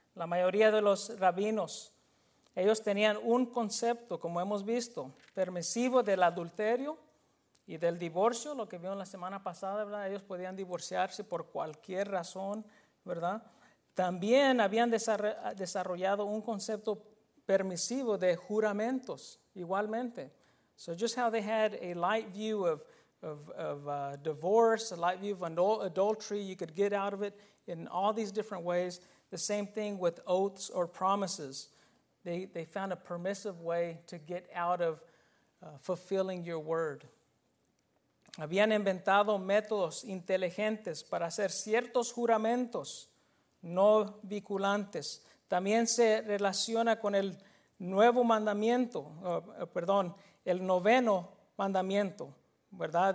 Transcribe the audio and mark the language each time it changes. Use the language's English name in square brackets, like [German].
[Spanish] La mayoría de los rabinos, ellos tenían un concepto, como hemos visto, permisivo del adulterio. Y del divorcio, lo que vimos la semana pasada, ¿verdad? Ellos podían divorciarse por cualquier razón, ¿verdad? También habían desarrollado un concepto permisivo de juramentos, igualmente. [English] So just how they had a light view of divorce, a light view of adultery, you could get out of it in all these different ways. The same thing with oaths or promises. They found a permissive way to get out of fulfilling your word. [Spanish] Habían inventado métodos inteligentes para hacer ciertos juramentos no vinculantes. También se relaciona con el nuevo mandamiento, perdón, el noveno mandamiento, ¿verdad?